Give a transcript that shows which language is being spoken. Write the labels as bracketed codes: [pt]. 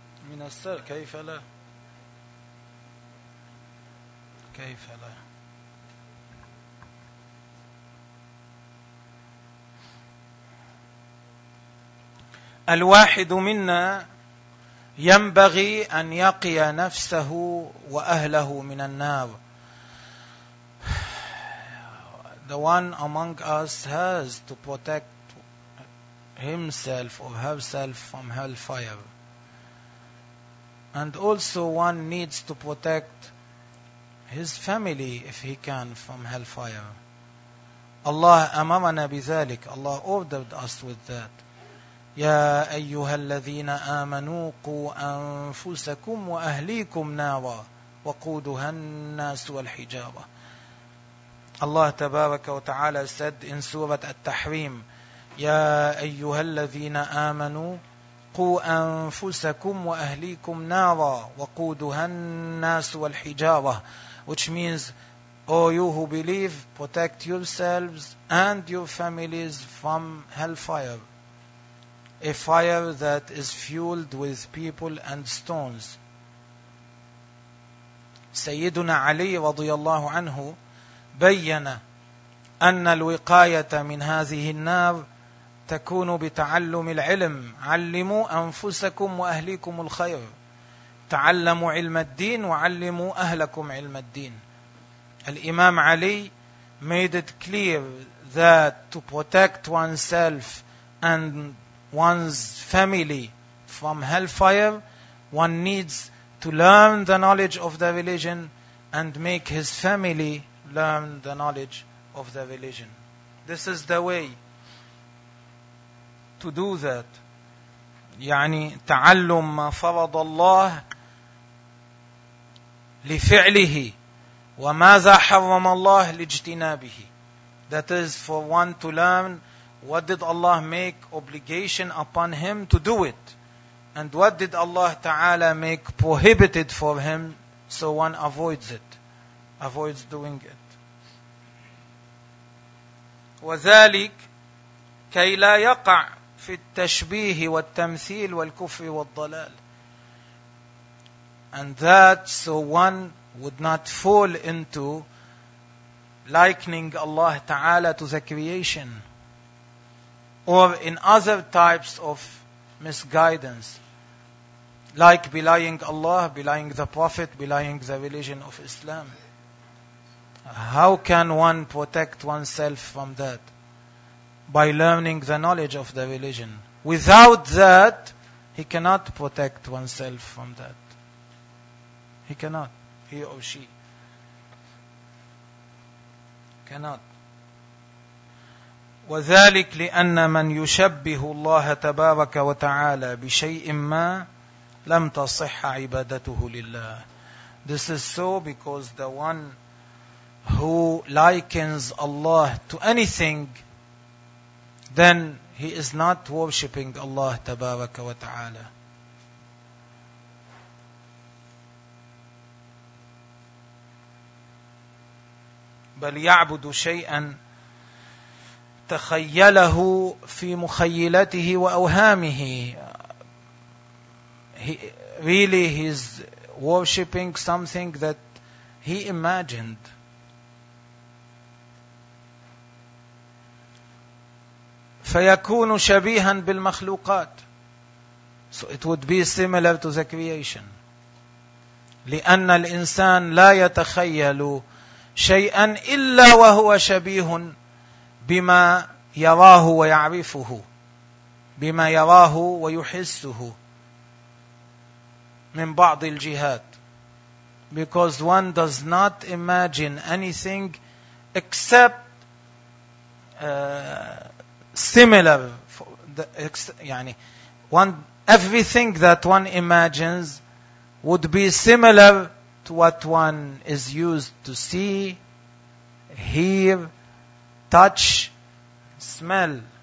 [ar] من السر كيف لا؟ كيف لا؟ الواحد منا ينبغي أن يقي نفسه وأهله من النار. [en] The one among us has to protect himself or herself from hellfire. And also one needs to protect his family if he can from hellfire. [ar] Allah أمرنا بذلك. [en] Allah ordered us with that. [ar] يا أيها الذين آمنوا قوا أنفسكم وأهليكم نارا وقودها الناس والحجارة. الله تبارك وتعالى [en] said in [ar] سورة التحريم, يا أيها الذين آمنوا قوا أنفسكم وأهليكم نارا وقودها الناس والحجارة, [en] which means, O you who believe, protect yourselves and your families from hellfire. A fire that is fueled with people and stones. [ar] سيدنا علي رضي الله عنه بيّن أن الوقاية من هذه النار تكون بتعلم العلم. علموا أنفسكم وأهليكم الخير. تعلموا علم الدين وعلموا أهلكم علم الدين. [en] الإمام علي made it clear that to protect oneself and one's family from hellfire, one needs to learn the knowledge of the religion and make his family learn the knowledge of the religion. This is the way to do that. [ar] يعني تعلم ما فرض الله لفعله وماذا حرم الله لاجتنابه. [en] That is for one to learn what did Allah make obligation upon him to do it? And what did Allah Ta'ala make prohibited for him so one avoids it, avoids doing it? [ar] وذلك كي لا يقع في التشبيه والتمثيل والكفر والضلال. [en] And that so one would not fall into likening Allah Ta'ala to the creation, or in other types of misguidance, like belying Allah, belying the Prophet, belying the religion of Islam. How can one protect oneself from that? By learning the knowledge of the religion. Without that, he cannot protect oneself from that. He cannot, he or she. Cannot. [ar] وذلك لأن من يشبه الله تبارك وتعالى بشيء ما لم تصح عبادته لله. [en] This is so because the one who likens Allah to anything, then he is not worshipping Allah [ar] تبارك وتعالى. بل يعبد شيئا تخيله في مخيلته وأوهامه. [en] Really, he's worshipping something that he imagined. [ar] فيكون شبيها بالمخلوقات. [en] So it would be similar to the creation. [ar] لأن الإنسان لا يتخيل شيئا إلا وهو شبيه بما يراه ويعرفه, بما يراه ويحسه من بعض الجهات. [en] Because one does not imagine anything except similar, يعني one everything that one imagines would be similar to what one is used to see, hear, touch, smell.